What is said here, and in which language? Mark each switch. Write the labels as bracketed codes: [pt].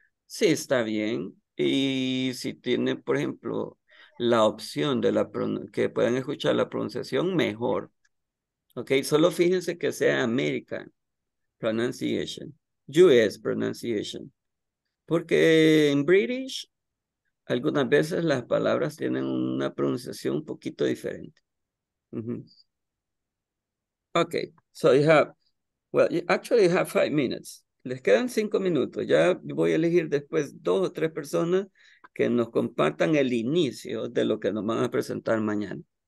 [es] Sí, está bien. Y si tiene, por ejemplo, la opción de que puedan escuchar la pronunciación, mejor. Ok, solo fíjense que sea [en] American pronunciation, US pronunciation. [es] Porque en British, algunas veces las palabras tienen una pronunciación un poquito diferente. Mm-hmm. [en] Ok, so you have, well, you actually you have 5 minutes. [es] Les quedan 5 minutos. Ya voy a elegir después 2 o 3 personas que nos compartan el inicio de lo que nos van a presentar mañana.